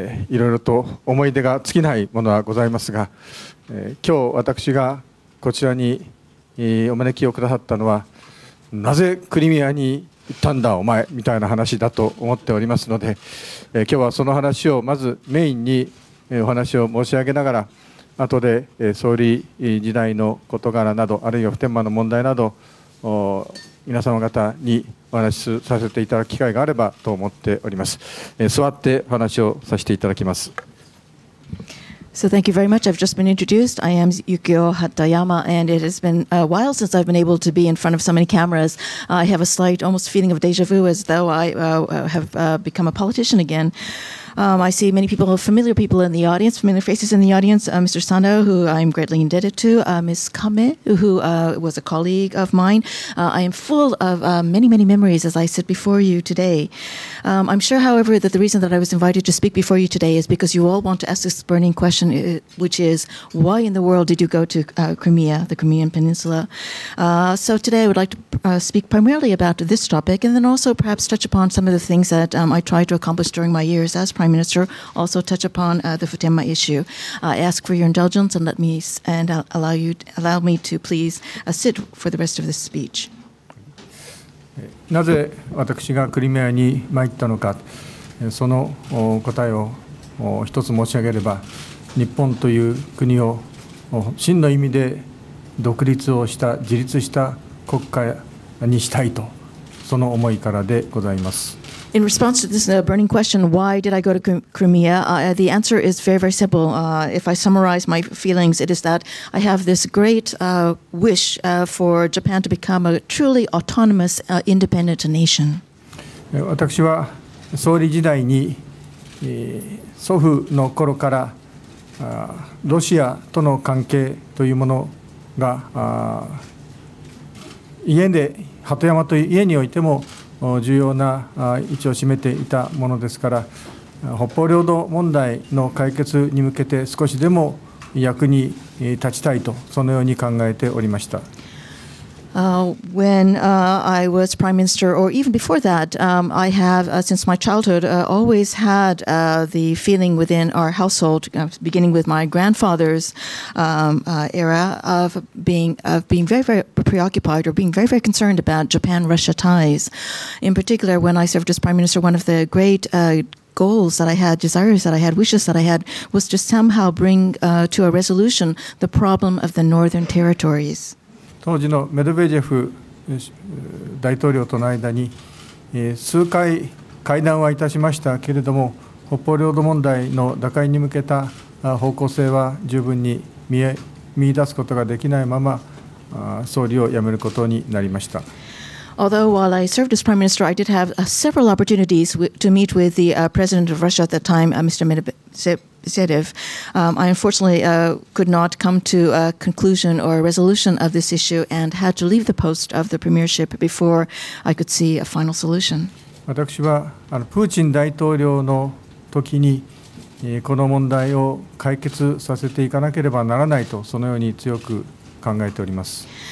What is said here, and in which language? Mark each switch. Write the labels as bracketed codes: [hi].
[ja] いろいろと思い出が尽きないものはございますが、今日私がこちらにお招きをくださったのは、なぜクリミアに行ったんだお前みたいな話だと思っておりますので、今日はその話をまずメインにお話を申し上げながら、後で総理時代の事柄など、あるいは普天間の問題など皆様方にお話しさせていただく機会があればと思っております。座ってお話をさせていただきます。 [en] So thank you very much. I've just been introduced. I am Yukio Hatoyama, and it has been a while since I've been able to be in front of so many cameras. I have a slight almost feeling of deja vu, as though I have become a politician again. I see many people, familiar people in the audience, familiar faces in the audience. Mr. Sano, who I'm greatly indebted to. Ms. Kame, who was a colleague of mine. I am full of many, many memories as I sit before you today. I'm sure, however, that the reason that I was invited to speak before you today is because you all want to ask this burning question, which is, why in the world did you go to Crimea, the Crimean Peninsula? So today I would like to speak primarily about this topic and then also perhaps touch upon some of the things that I tried to accomplish during my years as Prime Minister, also touch upon the Futenma issue. I ask for your indulgence and let me allow me to please sit for the rest of this speech. [ja] なぜ私がクリミアに参ったのか、その答えを一つ申し上げれば、日本という国を真の意味で独立をした、自立した国家にしたいと、その思いからでございます。 [en] In response to this burning question, why did I go to Crimea? The answer is very, very simple. If I summarize my feelings, it is that I have this great wish for Japan to become a truly autonomous, independent nation. [ja] 私は総理時代に祖父の頃からロシアとの関係というものが家で鳩山という家においても重要な位置を占めていたものですから、北方領土問題の解決に向けて少しでも役に立ちたいと、そのように考えておりました。 [en] When I was Prime Minister, or even before that, I have, since my childhood, always had the feeling within our household, beginning with my grandfather's era, of being very, very preoccupied or being very, very concerned about Japan-Russia ties. In particular, when I served as Prime Minister, one of the great goals that I had, desires that I had, wishes that I had, was to somehow bring to a resolution the problem of the Northern Territories. [ja] 当時のメドベージェフ大統領との間に数回会談はいたしましたけれども、北方領土問題の打開に向けた方向性は十分に見出すことができないまま、総理を辞めることになりました。 [en] Although while I served as Prime Minister, I did have several opportunities to meet with the President of Russia at that time, Mr. Medvedev. I unfortunately could not come to a conclusion or a resolution of this issue and had to leave the post of the premiership before I could see a final solution. [ja] 私はプーチン大統領の時にこの問題を解決させていかなければならないと、そのように強く考えております。